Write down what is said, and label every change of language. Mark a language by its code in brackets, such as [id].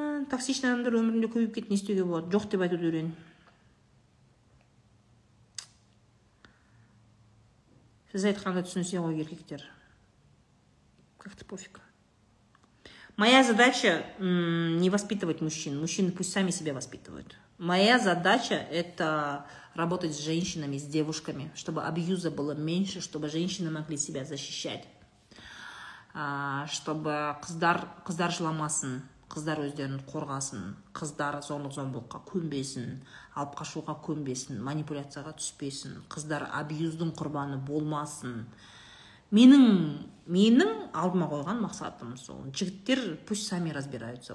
[kk] Токсичный адамдар өмірінде көбейіп кетті, не істеуге болады? Жоқ деп айтуды үйрен. Сіз айтқанда түсінсе ғой еркектер. [ru] Как-то пофиг. Моя задача не воспитывать мужчин. Мужчины пусть сами себя воспитывают. Моя задача это работать с женщинами, с девушками, чтобы абьюза было меньше, чтобы женщины могли себя защищать. Чтобы [kk] қыздар жыламасын, қыздар өздерін қорғасын, қыздар зорлық-зомбылыққа көнбесін, алып қашуға көнбесін, манипуляцияға түспесін, қыздар абьюздың құрбаны болмасын. Менің алдыма қойған мақсатым сол. Жігіттер [ru] пусть сами разбираются.